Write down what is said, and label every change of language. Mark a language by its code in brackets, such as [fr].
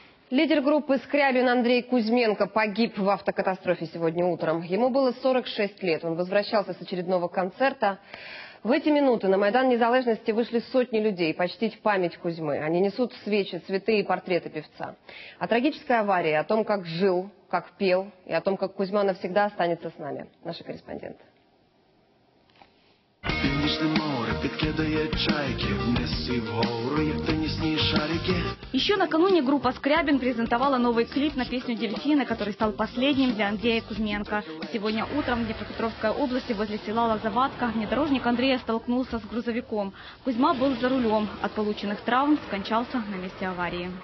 [ru] Лидер группы «Скрябин» Андрей Кузьменко погиб в автокатастрофе сегодня утром. Ему было 46 лет. Он возвращался с очередного концерта. В эти минуты на Майдан Незалежності вышли сотни людей почтить память Кузьмы. Они несут свечи, цветы и портреты певца. О трагической аварии, о том, как жил, как пел, и о том, как Кузьма навсегда останется с нами. Наши корреспонденты. [uk] Північне море підкидає чайки, вниси вгору, як тенісні шарики. [ru] Еще накануне группа «Скрябин» презентовала новый клип на песню «Дельфины», который стал последним для Андрея Кузьменко. Сегодня утром в Днепропетровской области возле села Лозоватка внедорожник Андрея столкнулся с грузовиком. Кузьма был за рулем. От полученных травм скончался на месте аварии.